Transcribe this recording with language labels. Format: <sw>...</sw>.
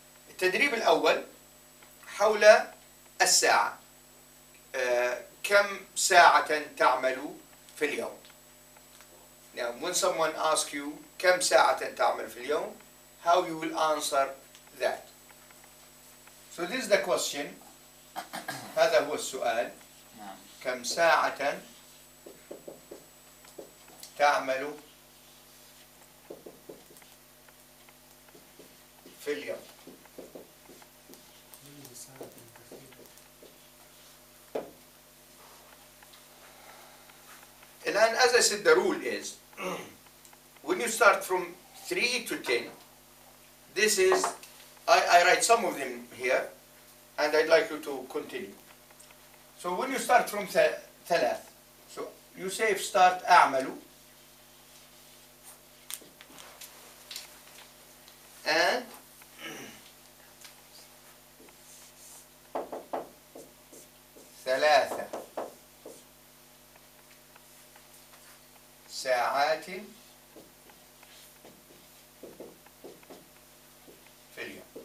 <ar>التدريب الأول حول الساعة، كم ساعة تعمل في اليوم؟</ar> <en>Now, when someone asks you</en> <ar>كم ساعة تعمل في اليوم,</ar> <en>how you will answer that? So this is the question.</en> <ar>هذا هو السؤال. كم ساعة تعمل في اليوم؟</ar> <en>And as I said, the rule is when you start from 3 to 10, this is I write some of them here, and I'd like you to continue. So when you start from ثلاث, so you say if start أعمل, and</en> <ar>ثلاثة ساعات في اليوم.</ar>